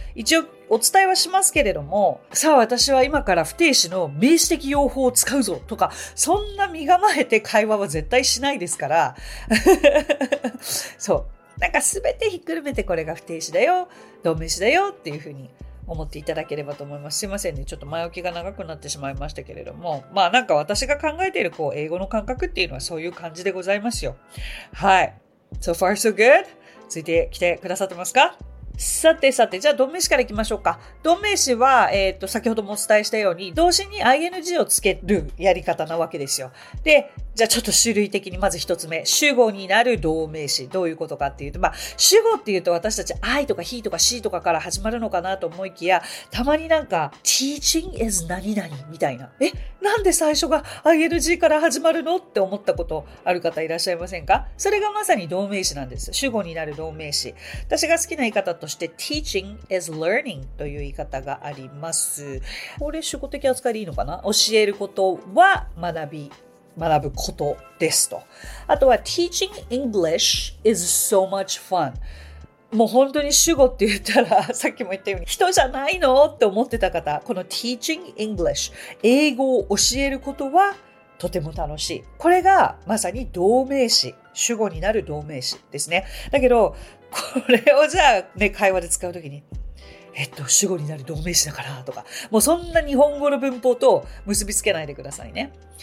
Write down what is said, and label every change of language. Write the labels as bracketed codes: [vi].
[ja] 一応お伝えはしますけれども、さあ私は今から不定詞の名詞的用法を使うぞとか、そんな身構えて会話は絶対しないですから。そう、なんか全てひっくるめてこれが不定詞だよ、同名詞だよっていうふうに思っていただければと思います。すいませんね、ちょっと前置きが長くなってしまいましたけれども、まあなんか私が考えているこう英語の感覚っていうのはそういう感じでございますよ。はい、 [en] So far so good。 [ja] ついてきてくださってますか。さてさて、じゃあ同名詞からいきましょうか。同名詞は先ほどもお伝えしたように動詞に ing をつけるやり方なわけですよ。でじゃあちょっと種類的に、まず一つ目、主語になる同名詞。どういうことかっていうと、まあ主語っていうと私たち I とか He とか She とかから始まるのかなと思いきや、たまになんか Teaching is 何々みたいな、え、なんで最初が ing から始まるのって思ったことある方いらっしゃいませんか。それがまさに同名詞なんです。主語になる同名詞。私が好きな言い方として [en] Teaching is learning [ja] という言い方があります。これ主語的扱いでいいのかな。教えることは学ぶことですと。あとは [en] Teaching English is so much fun。 [ja] もう本当に主語って言ったら、さっきも言ったように人じゃないのって思ってた方、この Teaching English、 英語を教えることはとても楽しい。これがまさに同名詞、主語になる同名詞ですね。だけどこれをじゃあね、会話で使うときに主語になる同名詞だからとか、もうそんな日本語の文法と結びつけないでくださいね。